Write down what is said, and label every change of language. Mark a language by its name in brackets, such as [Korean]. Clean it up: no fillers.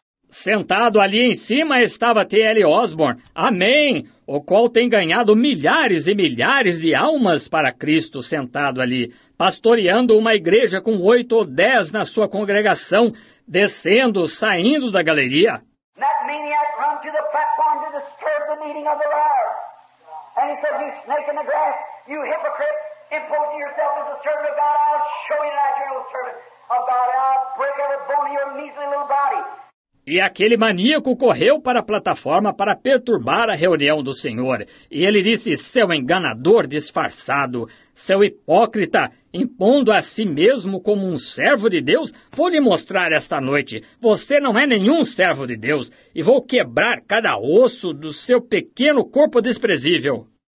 [Portuguese] Sentado ali em cima estava T.L. Osborne, amém, o qual tem ganhado milhares e milhares de almas para Cristo sentado ali, pastoreando uma igreja com 8 ou 10 na sua congregação, descendo, saindo da galeria. [English] That maniac run to the platform to disturb the meeting of the Lord. And he said, you snake in the grass, you hypocrite, imposing yourself as a servant of God, I'll show you that you're a servant of God, I'll break every bone in your measly little body. [Portuguese] E aquele maníaco correu para a plataforma para perturbar a reunião do Senhor. E ele disse, seu enganador disfarçado, seu hipócrita, impondo a si mesmo como um servo de Deus, vou lhe mostrar esta noite, você não é nenhum servo de Deus, e vou quebrar cada osso do seu pequeno corpo desprezível.